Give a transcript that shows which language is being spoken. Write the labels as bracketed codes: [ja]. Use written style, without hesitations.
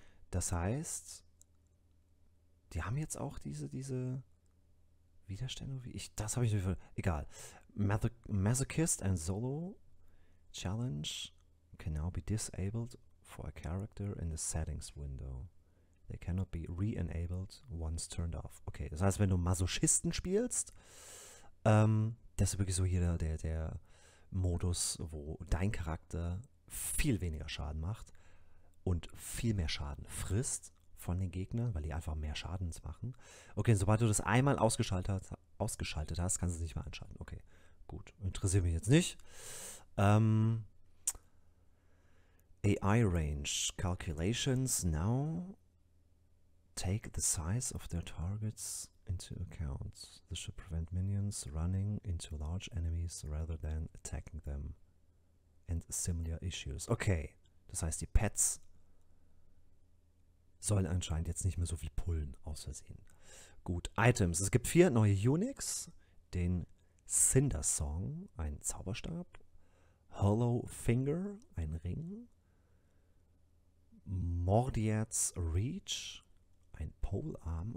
[de] Das heißt, die haben jetzt auch diese Widerstände, wie ich. Das habe ich nicht. Egal. [en] Masochist and Solo Challenge can now be disabled for a character in the Settings Window. They cannot be re-enabled once turned off. [de] Okay, das heißt, wenn du Masochisten spielst, das ist wirklich so hier der Modus, wo dein Charakter viel weniger Schaden macht und viel mehr Schaden frisst von den Gegnern, weil die einfach mehr Schadens machen. Okay, sobald du das einmal ausgeschaltet hast, kannst du es nicht mehr anschalten. Okay, gut. Interessiert mich jetzt nicht. [en] AI Range Calculations now take the size of their targets into account. This should prevent minions running into large enemies rather than attacking them. And similar issues. [de] Okay, das heißt, die Pets sollen anscheinend jetzt nicht mehr so viel pullen, aus Versehen. Gut, Items. Es gibt 4 neue Unics. Den Cinder Song, ein Zauberstab. Hollow Finger, ein Ring. Mordiat's Reach, ein Polearm.